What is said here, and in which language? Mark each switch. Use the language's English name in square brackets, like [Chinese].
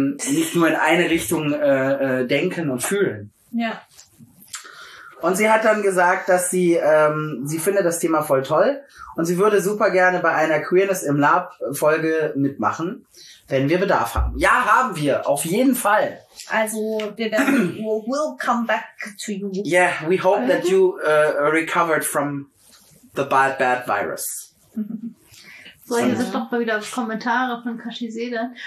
[German] Nicht nur in eine Richtung denken und fühlen. Ja. Und sie hat dann gesagt, dass sie findet das Thema voll toll und sie würde super gerne bei einer Queerness im Lab-Folge mitmachen, wenn wir Bedarf haben. Ja, haben wir, auf jeden Fall. Also, wir werden, [English] we'll come back to you. Yeah, we hope that you recovered from the bad virus. [German] So, hier sind doch mal wieder Kommentare von Kashi Sedan.